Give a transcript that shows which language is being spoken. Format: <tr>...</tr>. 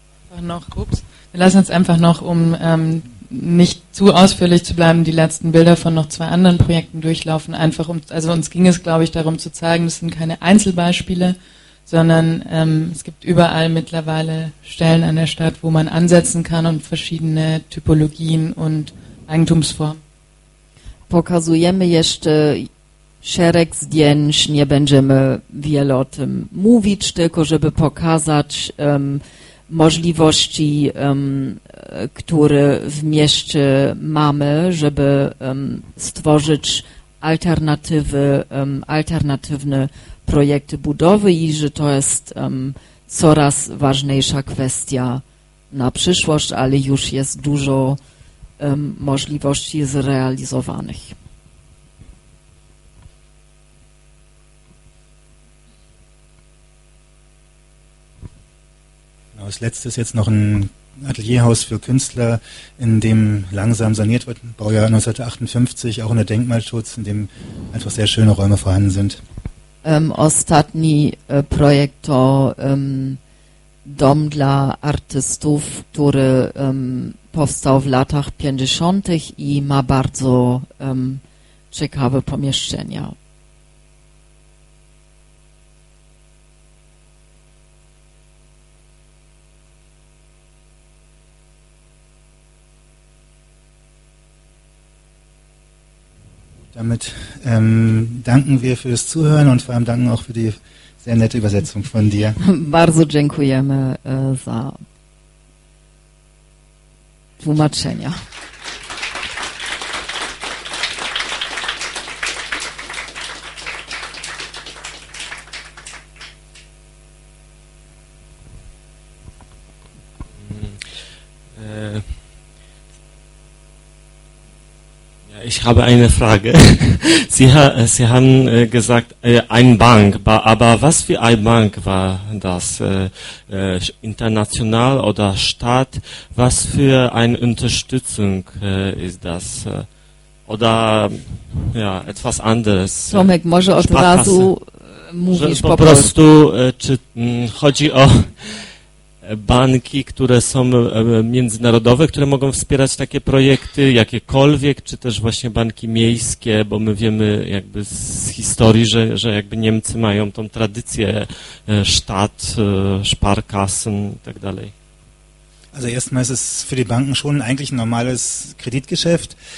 <de>Wir lassen uns einfach noch, um nicht zu ausführlich zu bleiben, die letzten Bilder von noch zwei anderen Projekten durchlaufen. Einfach um, also uns ging es, glaube ich, darum zu zeigen, das sind keine Einzelbeispiele, sondern es gibt überall mittlerweile Stellen an der Stadt, wo man ansetzen kann und verschiedene Typologien und Eigentumsformen.</de> <pl>Pokazujemy jeszcze szereg zdjęć, nie będziemy wiele o tym mówić, tylko żeby pokazać możliwości, które w mieście mamy, żeby stworzyć alternatywy, alternatywne projekty budowy i że to jest coraz ważniejsza kwestia na przyszłość, ale już jest dużo możliwości zrealizowanych.</pl> <de>Als letztes jetzt noch ein Atelierhaus für Künstler, in dem langsam saniert wird, Baujahr 1958, auch unter Denkmalschutz, in dem einfach sehr schöne Räume vorhanden sind.</de> <pl>Ostatni Projekt to dom dla artystów, który powstał w latach 50. i ma bardzo ciekawe pomieszczenia.</pl> <de>Damit danken wir für das Zuhören und vor allem danken auch für die sehr nette Übersetzung von dir.</de> <pl>Bardzo dziękujemy za tłumaczenia.</pl> <de>Ich habe eine Frage. Sie haben gesagt, ein Bank. Aber was für ein Bank war das? International oder Staat? Was für eine Unterstützung ist das? Oder ja, etwas anderes?</de> <pl>Tomek, może od razu mówisz po prostu. Czy chodzi o banki, które są międzynarodowe, które mogą wspierać takie projekty, jakiekolwiek, czy też właśnie banki miejskie, bo my wiemy jakby z historii, że jakby Niemcy mają tą tradycję Stadt, Sparkassen i tak dalej.</pl> <de>Also erstmal ist es für die Banken schon eigentlich ein normales Kreditgeschäft.</de>